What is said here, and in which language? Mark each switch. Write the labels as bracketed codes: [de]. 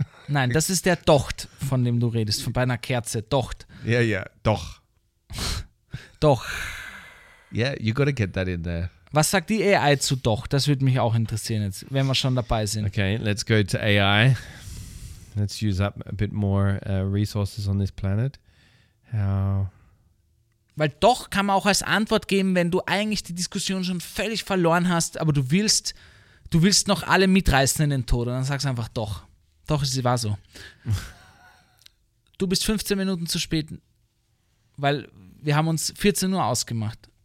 [de] Nein, das ist der Docht, von dem du redest, von bei einer Kerze. Docht. [en] Yeah, yeah, doch. [de] Doch. [en] Yeah, you gotta get that in there. [de] Was sagt die AI zu Doch? Das würde mich auch interessieren jetzt, wenn wir schon dabei sind. [en] Okay, let's go to AI. Let's use up a bit more resources on this planet. [de] Weil doch kann man auch als Antwort geben, wenn du eigentlich die Diskussion schon völlig verloren hast, aber du willst noch alle mitreißen in den Tod. Und dann sagst du einfach doch. Doch, es war so. Du bist 15 Minuten zu spät, weil wir haben uns 14 Uhr ausgemacht.